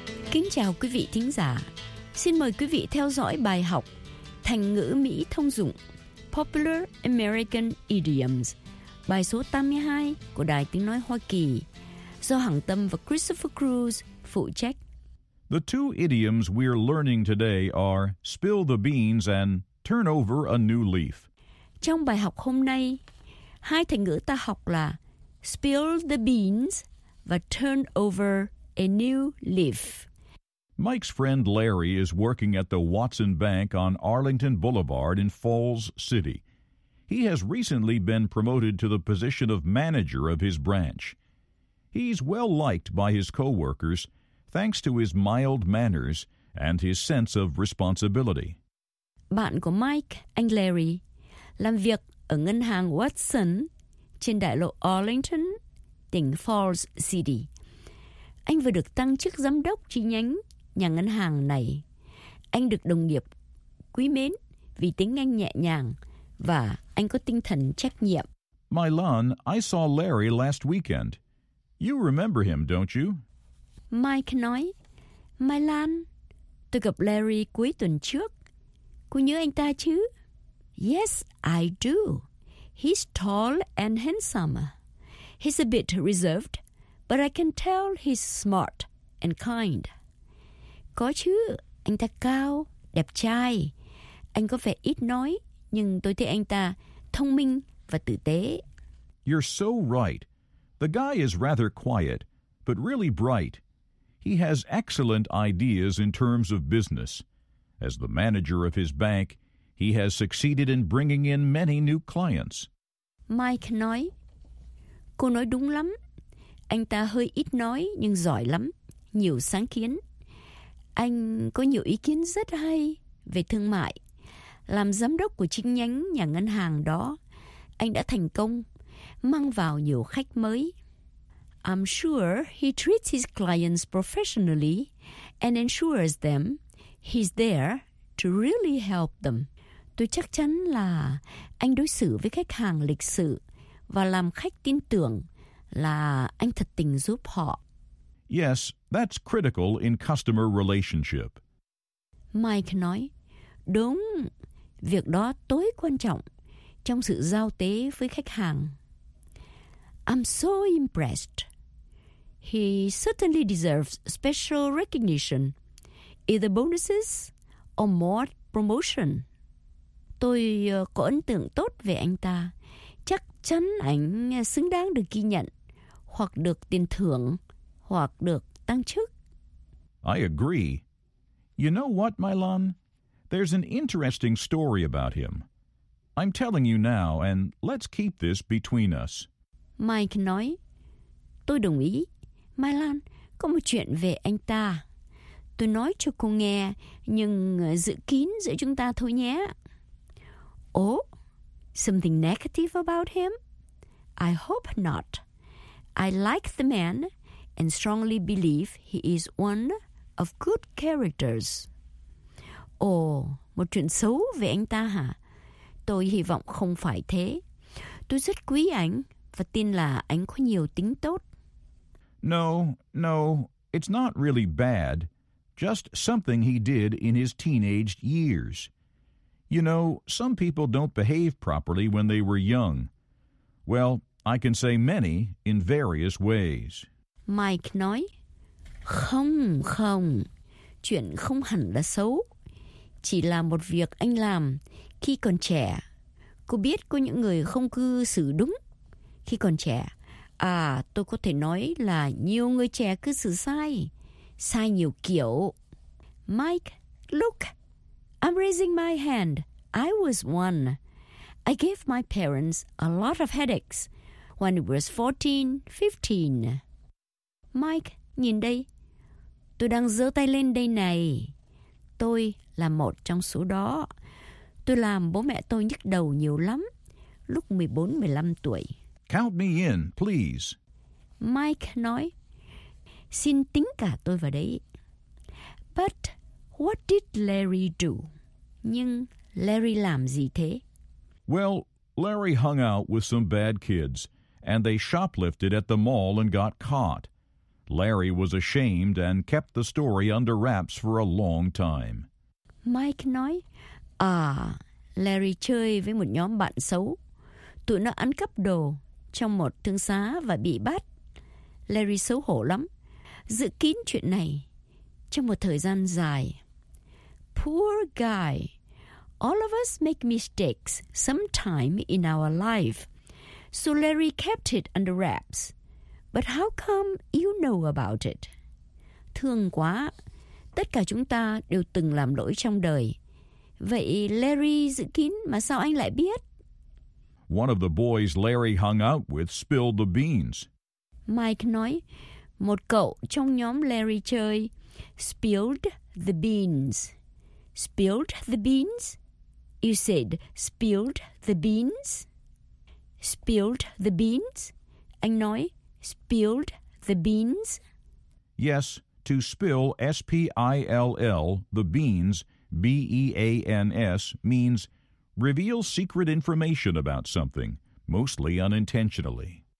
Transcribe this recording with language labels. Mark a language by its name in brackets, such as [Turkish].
[Vietnamese] Kính chào quý vị thính giả. Xin mời quý vị theo dõi bài học Thành ngữ Mỹ thông dụng Popular American Idioms, bài số 82 của Đài Tiếng Nói Hoa Kỳ, do Hằng Tâm và Christopher Cruz phụ trách. [English] The two idioms we're learning today are spill the beans and turn over a new leaf. [Vietnamese] Trong bài học hôm nay, hai thành ngữ ta học là [English] spill the beans [Vietnamese] và [English] turn over a new leaf. Mike's friend Larry is working at the Watson Bank on Arlington Boulevard in Falls City. He has recently been promoted to the position of manager of his branch. He's well-liked by his coworkers, thanks to his mild manners and his sense of responsibility. [Vietnamese] Bạn của Mike, anh Larry, làm việc ở ngân hàng Watson trên đại lộ Arlington, tỉnh Falls City. Anh vừa được tăng chức giám đốc chi nhánh nhà ngân hàng này. Anh được đồng nghiệp quý mến vì tính anh nhẹ nhàng và anh có tinh thần trách nhiệm. [English] Mylon, I saw Larry last weekend. You remember him, don't you? [Vietnamese] Mike nói, Mylon, tôi gặp Larry cuối tuần trước. Cô nhớ anh ta chứ? [English] Yes, I do. He's tall and handsome. He's a bit reserved, but I can tell he's smart and kind. [Vietnamese] Có chứ, anh ta cao, đẹp trai. Anh có vẻ ít nói, nhưng tôi thấy anh ta thông minh và tử tế. [English] You're so right. The guy is rather quiet, but really bright. He has excellent ideas in terms of business. As the manager of his bank, he has succeeded in bringing in many new clients. [Vietnamese] Mike nói, cô nói đúng lắm. Anh ta hơi ít nói, nhưng giỏi lắm, nhiều sáng kiến. Anh có nhiều ý kiến rất hay về thương mại. Làm giám đốc của chi nhánh nhà ngân hàng đó, anh đã thành công, mang vào nhiều khách mới. [English] I'm sure he treats his clients professionally and ensures them he's there to really help them. [Vietnamese] Tôi chắc chắn là anh đối xử với khách hàng lịch sự và làm khách tin tưởng là anh thật tình giúp họ. [English] Yes, that's critical in customer relationship. [Vietnamese] Mike nói, đúng, việc đó tối quan trọng trong sự giao tế với khách hàng. [English] I'm so impressed. He certainly deserves special recognition, either bonuses or more promotion. [Vietnamese] Tôi có ấn tượng tốt về anh ta. Chắc chắn anh xứng đáng được ghi nhận hoặc được tiền thưởng. Hoặc được tăng chức. [English] I agree. You know what, Mylon? There's an interesting story about him. I'm telling you now, and let's keep this between us. [Vietnamese] Mike nói, tôi đồng ý. Mylon, có một chuyện về anh ta. Tôi nói cho cô nghe, nhưng giữ kín giữa chúng ta thôi nhé. [English] Oh, something negative about him? I hope not. I like the man and strongly believe he is one of good characters. [Vietnamese] Ồ, một chuyện xấu về anh ta hả? Tôi hy vọng không phải thế. Tôi rất quý anh và tin là anh có nhiều tính tốt. [English] No, no, it's not really bad. Just something he did in his teenage years. You know, some people don't behave properly when they were young. Well, I can say many in various ways. [Vietnamese] Mike nói, không, không, chuyện không hẳn là xấu. Chỉ là một việc anh làm khi còn trẻ. Cô biết có những người không cư xử đúng khi còn trẻ. À, tôi có thể nói là nhiều người trẻ cư xử sai, sai nhiều kiểu. [English] Mike, look, I'm raising my hand. I was one. I gave my parents a lot of headaches when it was 14, 15. [Vietnamese] Mike, nhìn đây. Tôi đang giơ tay lên đây này. Tôi là một trong số đó. Tôi làm bố mẹ tôi nhức đầu nhiều lắm, lúc 14, 15 tuổi. [English] Count me in, please. [Vietnamese] Mike nói, xin tính cả tôi vào đấy. [English] But what did Larry do? [Vietnamese] Nhưng Larry làm gì thế? [English] Well, Larry hung out with some bad kids, and they shoplifted at the mall and got caught. Larry was ashamed and kept the story under wraps for a long time. [Vietnamese] Mike nói, à, Larry chơi với một nhóm bạn xấu. Tụi nó ăn cắp đồ trong một thương xá và bị bắt. Larry xấu hổ lắm, giữ kín chuyện này trong một thời gian dài. [English] Poor guy. All of us make mistakes sometime in our life. So Larry kept it under wraps. But how come you know about it? [Vietnamese] Thương quá. Tất cả chúng ta đều từng làm lỗi trong đời. Vậy Larry giữ kín mà sao anh lại biết? [English] One of the boys Larry hung out with spilled the beans. [Vietnamese] Mike nói, một cậu trong nhóm Larry chơi [English] spilled the beans. Spilled the beans? You said spilled the beans? Spilled the beans? [Vietnamese] Anh nói, [English] spilled the beans? Yes, to spill, S-P-I-L-L, the beans, B-E-A-N-S, means reveal secret information about something, mostly unintentionally.